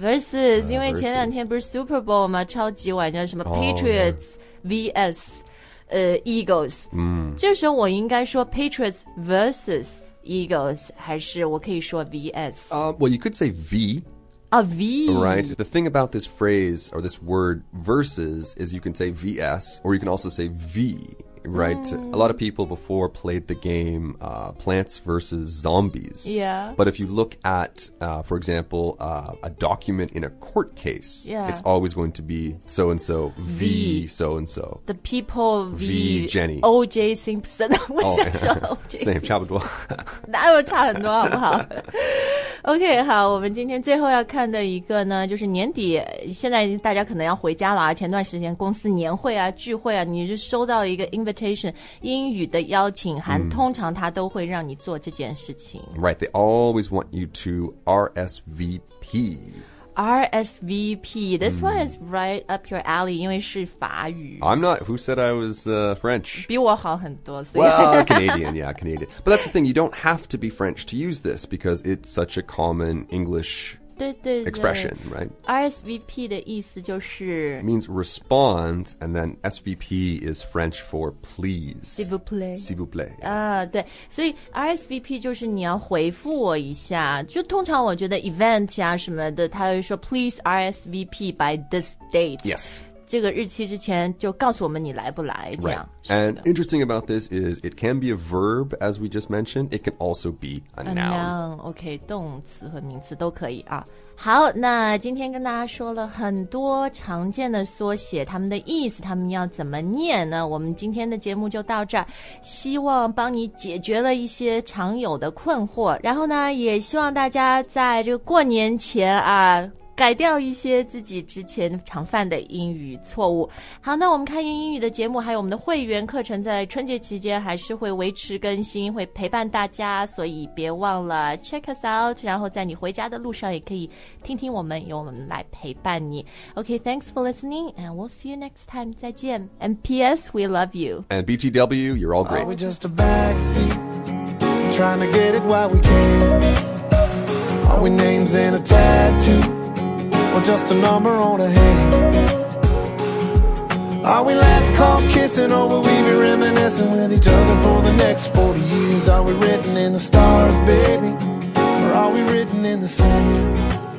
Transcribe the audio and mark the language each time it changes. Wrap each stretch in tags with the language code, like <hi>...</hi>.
<zh>Versus 因为前两天不是 Super Bowl 吗超级碗叫什么 Patriots、VS Eagles、这时候我应该说 Patriots versus Eagles 还是我可以说 VS、</zh> <en>Well you could say V A V. Right. The thing about this phrase or this word versus is you can say VS or you can also say V. Right.、A lot of people before played the game、Plants versus Zombies. Yeah. But if you look at,、for example,、a document in a court case,、 yeah. it's always going to be so-and-so V so-and-so. The people V. V Jenny.</en> <zh>O.J. Simpson. 我想叫 O.J. Same, 差不多。哪有差很多好不好OK, 好我们今天最后要看的一个呢就是年底现在大家可能要回家了啊前段时间公司年会啊聚会啊你是收到一个 invitation, 英语的邀请函、通常他都会让你做这件事情。</zh> <en>Right, they always want you to RSVP. RSVP, this、one is right up your alley,</en> <zh>因为是法语。</zh> <en>I'm not, who said I was、French?</en> <zh>比我好很多。</zh> <en>Well, Canadian, yeah, Canadian. But that's the thing, you don't have to be French to use this because it's such a common English expression, right?</en> <zh>RSVP 的意思就是</zh> <en>It means respond, and then SVP is French for please.</en> <fr>S'il vous plaît. S'il vous plaît.</fr> <zh>啊、对。所以 RSVP 就是你要回复我一下。就通常我觉得 event 啊什么的他会说</zh> <en>please RSVP by this date. Yes.</en> <zh>这个日期之前就告诉我们你来不来这样、</zh> <en>right. And interesting about this is it can be a verb as we just mentioned it can also be a noun</en> <zh>OK 动词和名词都可以啊好那今天跟大家说了很多常见的缩写他们的意思他们要怎么念呢我们今天的节目就到这儿希望帮你解决了一些常有的困惑然后呢也希望大家在这个过年前啊改掉一些自己之前常犯的英语错误好那我们开言英语的节目还有我们的会员课程在春节期间还是会维持更新会陪伴大家所以别忘了</zh> <en>check us out</en> <zh>然后在你回家的路上也可以听听我们由我们来陪伴你</zh> <en>OK thanks for listening and we'll see you next time</en> <zh>再见</zh> <en>and PS we love you and BTW you're all great are we just a backseat trying to get it while we can are we names and a tattooOr just a number on a hand Are we last caught kissing or will we be reminiscing with each other for the next 40 years Are we written in the stars baby Or are we written in the sand</en>